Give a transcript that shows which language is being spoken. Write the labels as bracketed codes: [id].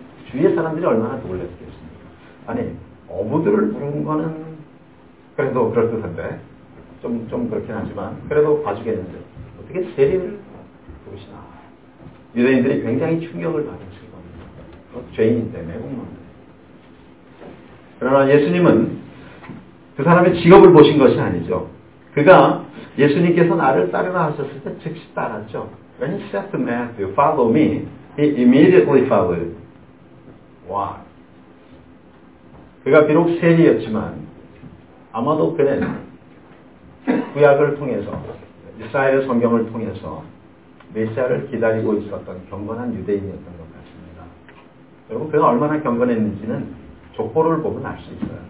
[ko] 주위의 사람들이 얼마나 놀랐겠습니까? 아니 어부들을 부른 거는 그래도 그럴듯한데 좀 그렇긴 하지만 그래도 봐주겠는데 어떻게 세리를 부르시나 유대인들이 굉장히 충격을 받았습니다. 죄인인데 매국노인데 그러나 예수님은 그 사람의 직업을 보신 것이 아니죠. 그가 예수님께서 나를 따르라 하셨을 때 즉시 따랐죠. [en] When he said to Matthew, follow me, he immediately followed. Why? [ko] 그가 비록 세리였지만 아마도 그는 구약을 통해서 이스라엘의 성경을 통해서 메시아를 기다리고 있었던 경건한 유대인이었던 것 같습니다. 여러분 그가 얼마나 경건했는지는 족보를 보면 알 수 있어요.